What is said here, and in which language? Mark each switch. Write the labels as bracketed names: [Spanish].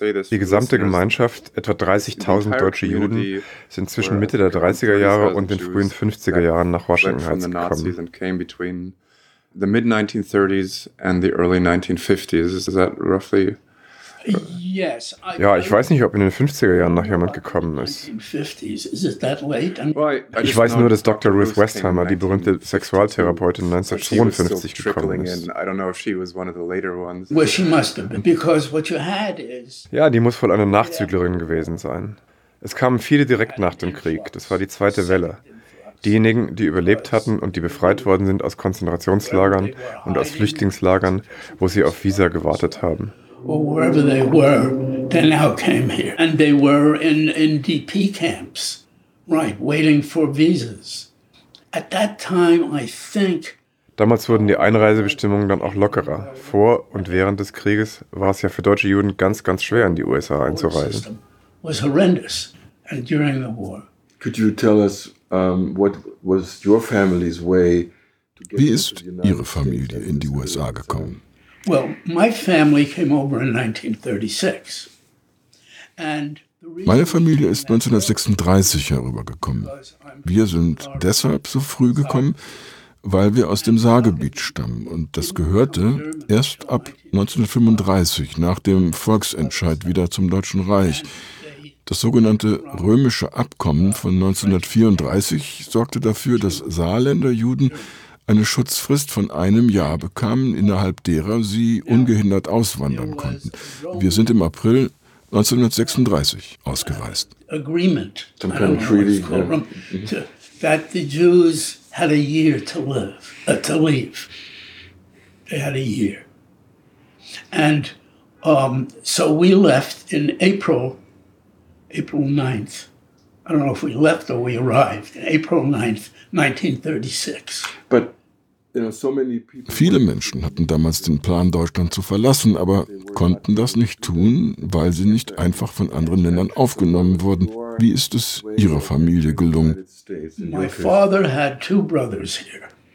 [German] Die gesamte Gemeinschaft, etwa 30.000 deutsche Juden, sind zwischen Mitte der 30er Jahre und den frühen 50er Jahren nach Washington Heights gekommen. [English] The mid-1930s and the early 1950s, is that roughly? Yes. [German] Ja, ich weiß nicht, ob in den 50er Jahren noch jemand gekommen ist. Ich weiß nur, dass Dr. Ruth Westheimer, die berühmte Sexualtherapeutin, 1952 gekommen ist. [English] Well, she must have been, because what you had is. [German] Ja, die muss wohl eine Nachzüglerin gewesen sein. Es kamen viele direkt nach dem Krieg, das war die zweite Welle. Diejenigen, die überlebt hatten und die befreit worden sind aus Konzentrationslagern und aus Flüchtlingslagern, wo sie auf Visa gewartet haben. [English] Or wherever they were, they now came here. And they were in DP camps, right, waiting for visas. At that time, I think. [German] Damals wurden die Einreisebestimmungen dann auch lockerer. Vor und während des Krieges war es ja für deutsche Juden ganz, ganz schwer, in die USA einzureisen. [English] Was horrendous. And during the war. Could you tell us, what was your family's way to get into the United States? [German] Wie ist Ihre Familie in die USA gekommen? [English] Well, my family came over in 1936. [German] Meine Familie ist 1936 herübergekommen. Wir sind deshalb so früh gekommen, weil wir aus dem Saargebiet stammen. Und das gehörte erst ab 1935, nach dem Volksentscheid, wieder zum Deutschen Reich. Das sogenannte Römische Abkommen von 1934 sorgte dafür, dass Saarländer Juden eine Schutzfrist von einem Jahr bekamen, innerhalb derer sie ungehindert auswandern konnten. Wir sind im April 1936 ausgereist. [English] Agreement, some kind of treaty, that the Jews had a year to live, to leave. They had a year. And so we left in April 9th. I don't know if we left or we arrived. April 9th, 1936. But [German] viele Menschen hatten damals den Plan, Deutschland zu verlassen, aber konnten das nicht tun, weil sie nicht einfach von anderen Ländern aufgenommen wurden. Wie ist es Ihrer Familie gelungen? [English] My father had two brothers here.